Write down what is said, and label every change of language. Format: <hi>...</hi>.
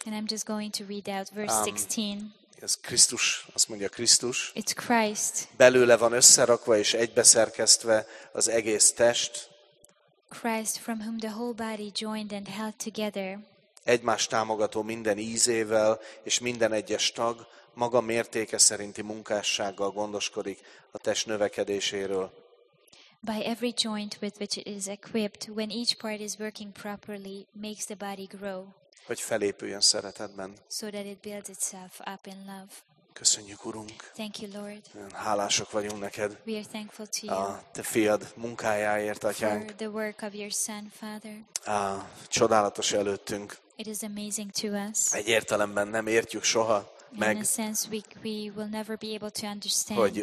<en>And I'm just going to read out verse 16.</en> <hu>Ez Krisztus, azt mondja Krisztus.</hu> <en>It's Christ.</en> <hu>Belőle van összerakva és egybeszerkesztve az egész test.</hu> <en>Christ, from whom the whole body joined and held together.</en> <hu>Egymás támogató minden ízével és minden egyes tag maga mértéke szerinti munkássággal gondoskodik a test növekedéséről.</hu> <en>By every joint with which it is equipped, when each part is working properly, makes the body grow.</en> <hu>Hogy felépüljön szeretetben.</hu> <en>So that it builds itself up in love.</en> <hu>Köszönjük, Urunk.</hu> <en>Thank you, Lord.</en> <hu>Hálások vagyunk neked.</hu> <en>We are thankful to you.</en> <hu>A te fiad munkájáért, Atyánk.</hu> <en>For the work of your son, Father.</en> <hu>Csodálatos előttünk.</hu> <en>It is amazing to us.</en> <hu>Egy értelemben nem értjük soha meg.</hu> <en>In a sense, we will never be able to understand.</en>